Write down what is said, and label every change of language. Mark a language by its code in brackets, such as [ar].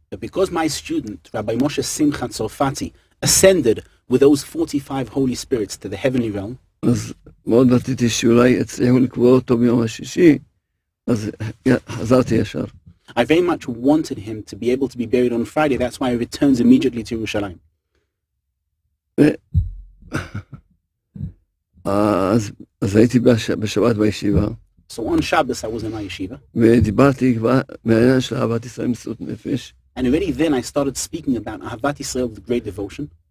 [en] But because my student, Rabbi Moshe Simcha Tzorfati, ascended with those 45 holy spirits to the heavenly realm, [he] אז מאוד רציתי שאולי יצליחו לקבוע אותו ביום השישי, אז חזרתי ישר. [en] I very much wanted him to be able to be buried on Friday. That's why he returns immediately to Yerushalayim. [he] אז הייתי בשבת בישיבה. [en] So on Shabbos I was in my yeshiva. [he] ודיברתי כבר מהעניין של אהבת ישראל מסירות נפש. [en] And already then I started speaking about Ahavat Yisrael with great devotion.